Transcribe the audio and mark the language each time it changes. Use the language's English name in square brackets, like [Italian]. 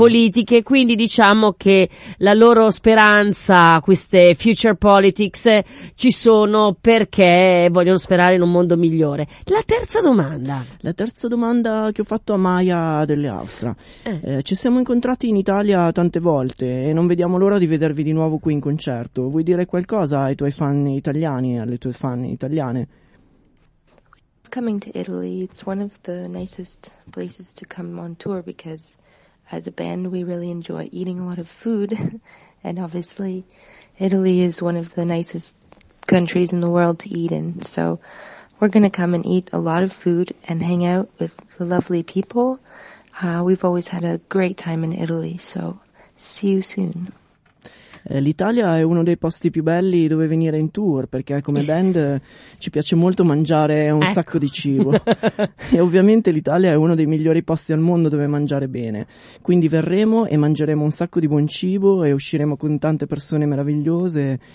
[Italian] Politiche, quindi diciamo che la loro speranza, queste future politics, ci sono perché vogliono sperare in un mondo migliore. La terza domanda. La terza domanda che ho fatto a Maya delle Austria. Ci siamo incontrati in Italia tante volte e non vediamo l'ora di vedervi di nuovo qui in concerto. Vuoi dire qualcosa ai tuoi fan italiani, alle tue fan italiane? [English] Coming to Italy, it's one of the nicest places to come on tour because as a band we really enjoy eating a lot of food and obviously Italy is one of the nicest countries in the world to eat in, so we're going to come and eat a lot of food and hang out with the lovely people. We've always had a great time in Italy, so see you soon. [Italian] L'Italia è uno dei posti più belli dove venire in tour, perché come band ci piace molto mangiare un sacco di cibo e ovviamente l'Italia è uno dei migliori posti al mondo dove mangiare bene, quindi verremo e mangeremo un sacco di buon cibo e usciremo con tante persone meravigliose.